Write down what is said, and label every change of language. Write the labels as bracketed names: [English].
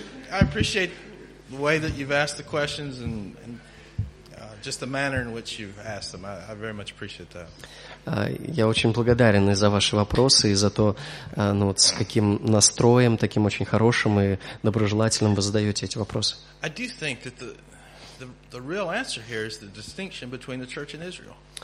[English] I appreciate the way that you've asked the questions and just the manner in which you've asked them. I very much appreciate that. [Russian] Я очень благодарен и за ваши вопросы, и за то, ну, вот с каким настроем, таким очень хорошим и доброжелательным вы задаете эти вопросы. [English] I do think that the real answer here is the distinction between the church and Israel.